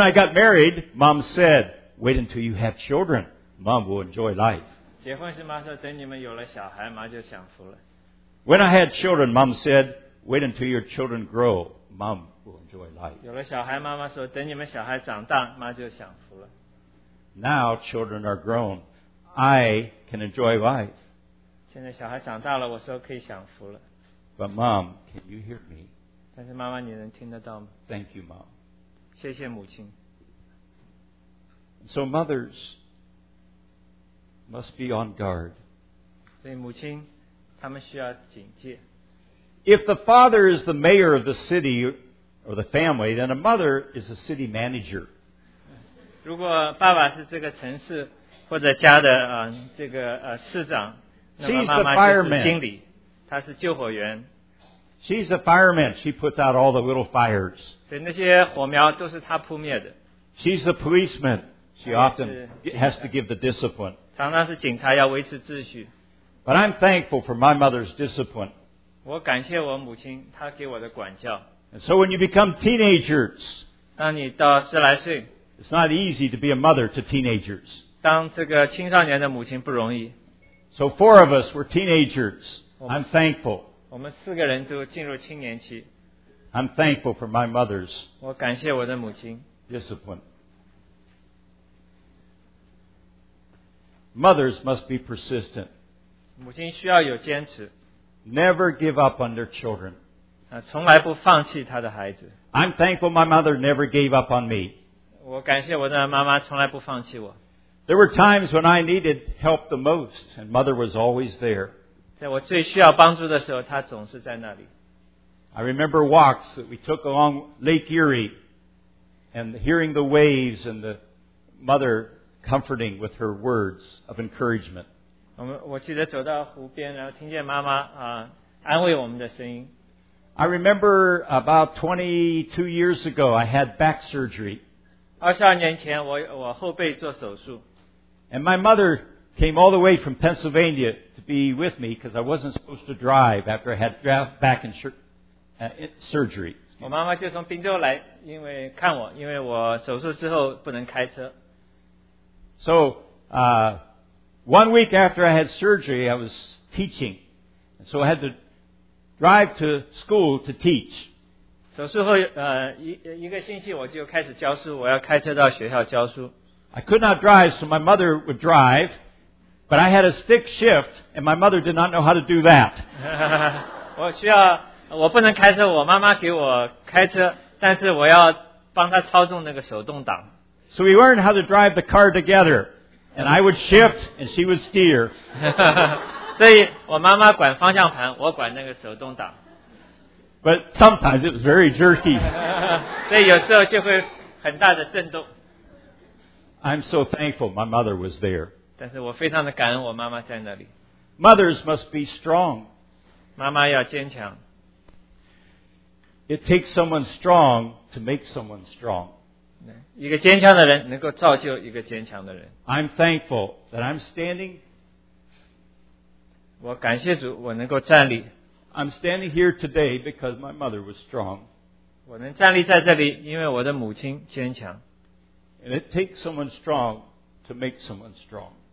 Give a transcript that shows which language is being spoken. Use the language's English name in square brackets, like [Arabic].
[English] I got married, Mom said, "Wait until you have children. Mom will enjoy life." [Chinese] 结婚时妈说等你们有了小孩，妈就享福了。 [English] When I had children, Mom said, "Wait until your children grow. Mom will enjoy life." [Chinese] 有了小孩，妈妈说等你们小孩长大，妈就享福了。 [English] Now children are grown, I can enjoy life. [Chinese] 现在小孩长大了，我说可以享福了。 [English] But Mom, can you hear me? [Chinese] 但是妈妈你能听得到吗? [English] Thank you, Mom. [Chinese] 谢谢母亲。 [English] So mothers must be on guard. [Chinese] 所以母亲,她们需要警戒。 [English] If the father is the mayor of the city or the family, then a mother is a city manager. [Chinese] 如果爸爸是这个城市, 或者家的这个市长，那么妈妈就是经理，她是救火员。 [English] She's a fireman. She puts out all the little fires. [Chinese] 对，那些火苗都是她扑灭的。 [English] She's a policeman. She often has to give the discipline. [Chinese] 常常是警察要维持秩序。 [English] But I'm thankful for my mother's discipline. [Chinese] 我感谢我母亲，她给我的管教。 [English] And so when you become teenagers, [Chinese] 当你到十来岁， [English] it's not easy to be a mother to teenagers. [Chinese] 当这个青少年的母亲不容易。 [English] So four of us were teenagers. I'm thankful. [Chinese] 我们四个人都进入青年期。 [English] I'm thankful for my mother's. [Chinese] 我感谢我的母亲。 [English] Discipline. Mothers must be persistent. [Chinese] 母亲需要有坚持。 [English] Never give up on their children. [Chinese] 从来不放弃她的孩子。 [English] I'm thankful my mother never gave up on me. [Chinese] 我感谢我的妈妈从来不放弃我。 [English] There were times when I needed help the most, and mother was always there. [Chinese] 在我最需要帮助的时候，她总是在那里。 [English] I remember walks that we took along Lake Erie. And hearing the waves and the mother comforting with her words of encouragement. [Chinese] 我记得走到湖边，然后听见妈妈安慰我们的声音。 [English] I remember about 22 years ago, I had back surgery. [Chinese] 22年前，我后背做手术。 [English] And my mother came all the way from Pennsylvania to be with me because I wasn't supposed to drive after I had back and surgery. [Chinese] 我妈妈就从宾州来，因为看我，因为我手术之后不能开车。 [English] So, one week after I had surgery, I was teaching. So I had to drive to school to teach. [Chinese] 手术后一个星期我就开始教书，我要开车到学校教书。 [English] I could not drive, so my mother would drive, but I had a stick shift, and my mother did not know how to do that. [Chinese] 我不能开车，我妈妈给我开车，但是我要帮她操纵那个手动挡。 [English] So we learned how to drive the car together, and I would shift, and she would steer. [Chinese] 所以我妈妈管方向盘，我管那个手动挡。 [English] But sometimes it was very jerky. [Chinese] 所以有时候就会很大的震动。 [English] I'm so thankful my mother was there. [Chinese] 但是我非常的感恩我妈妈在那里。 [English] Mothers must be strong. [Chinese] 妈妈要坚强。 [English] It takes someone strong to make someone strong. [Chinese] 一个坚强的人能够造就一个坚强的人。 [English] I'm thankful that I'm standing. [Chinese] 我感谢主，我能够站立。 [English] I'm standing here today because my mother was strong. [Chinese] 我能站立在这里，因为我的母亲坚强。 [English] And it takes someone strong to make someone strong.